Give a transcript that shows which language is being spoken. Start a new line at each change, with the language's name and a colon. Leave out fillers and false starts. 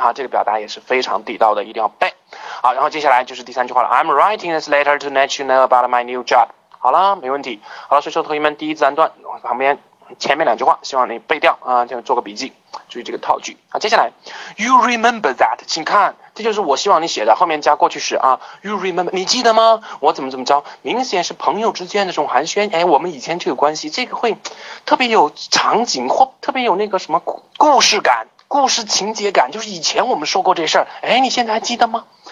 Chinese: 哈，这个表达也是非常地道的，一定要背。好，然后接下来就是第三句话了。
English: I'm writing this letter to let you know about my new job。
Chinese: 好了，没问题。好了，所以说同学们，第一自然段旁边前面两句话，希望你背掉啊，就做个笔记，注意这个套句啊。接下来，
English: You remember that？
Chinese: 请看。这就是我希望你写的，后面加过去时啊，
English: You remember，
Chinese: 你记得吗？我怎么怎么着？明显是朋友之间的这种寒暄，哎，我们以前就有关系，这个会特别有场景或特别有那个什么故事感、故事情节感，就是以前我们说过这事儿，哎，你现在还记得吗？